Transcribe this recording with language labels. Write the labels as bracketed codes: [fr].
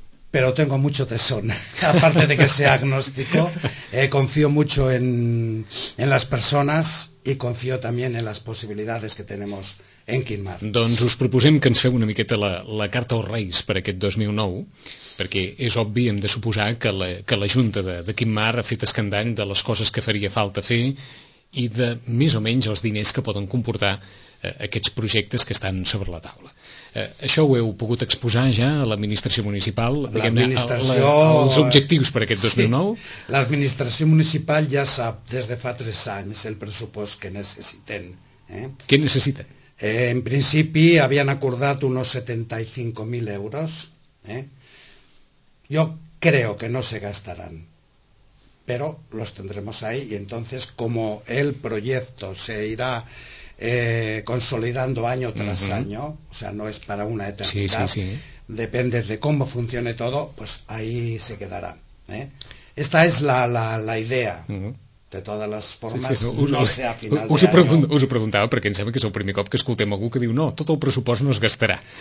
[es] Pero tengo mucho tesón, aparte de que sea agnóstico, confío mucho en las personas y confío también en las posibilidades que tenemos en Quinmar. [ca] Doncs us proposem que ens feu una miqueta la carta als Reis per aquest 2009, perquè és obvi, hem de suposar que la Junta de Quinmar ha fet escandall de les coses que faria falta fer i de més o menys els diners que poden comportar aquests projectes que estan sobre la taula. Això ho heu pogut exposar ja a l'administració municipal, els objectius per aquest 2009? Sí. L'administració municipal ja sap des de fa 3 anys el pressupost que necessiten. Què necessita? En principi havien acordat uns 75.000 euros. [es] Jo creo que no se gastaran, però los tendremos ahí y entonces como el proyecto se irá consolidando año tras año, o sea, no es para una eternidad, sí. Depende de cómo funcione todo, pues ahí se quedará. Esta es la idea. De todas las formas, no sé, a final de año. [ca] Us ho preguntava perquè em sembla que és el primer cop que escoltem algú que diu no, tot el pressupost no es gastarà.